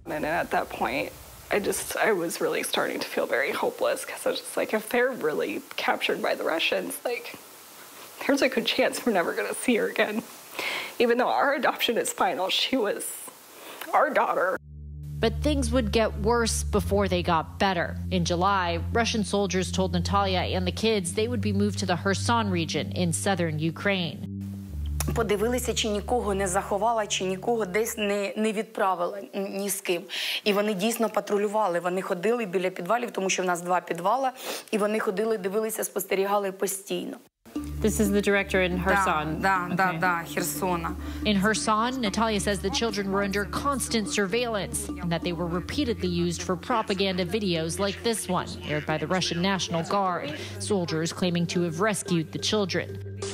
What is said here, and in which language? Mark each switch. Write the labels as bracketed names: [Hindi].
[English] And at that point, I was really starting to feel very hopeless because I was just like, if they're really captured by the Russians, like, there's a good chance we're never going to see her again. Even though our adoption is final, she was our daughter. But things would get worse before they got better. In July, Russian soldiers told Natalia and the kids they would be moved to the Kherson region in southern Ukraine. [Ukrainian] Подивилися, чи нікого не заховала, чи нікого десь не відправила ні з ким. І вони дійсно патрулювали, вони ходили біля підвалів, тому що в нас два підвала, і вони ходили, дивилися, спостерігали постійно. [English] This is the director in Kherson. [Ukrainian] Да, Херсона. [English] In Kherson, Natalia says the children were under constant surveillance and that they were repeatedly used for propaganda videos like this one, aired by the Russian National Guard, soldiers claiming to have rescued the children.